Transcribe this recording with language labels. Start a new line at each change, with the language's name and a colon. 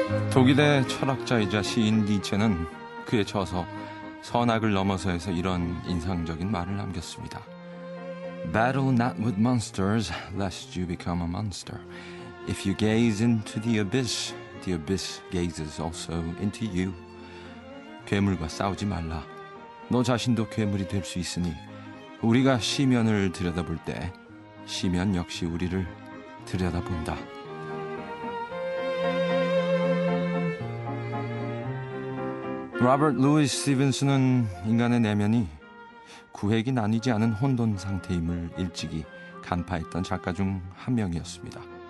Korean: 독일의 철학자이자 시인 니체는 그의 저서 선악을 넘어서에서 이런 인상적인 말을 남겼습니다.
English: Battle not with monsters, lest you become a monster. If you gaze into the abyss gazes also into you.
Korean: 괴물과 싸우지 말라. 너 자신도 괴물이 될 수 있으니 우리가 시면을 들여다볼 때 시면 역시 우리를 들여다본다. 로버트 루이스 스티븐슨은 인간의 내면이 구획이 나뉘지 않은 혼돈 상태임을 일찍이 간파했던 작가 중 한 명이었습니다.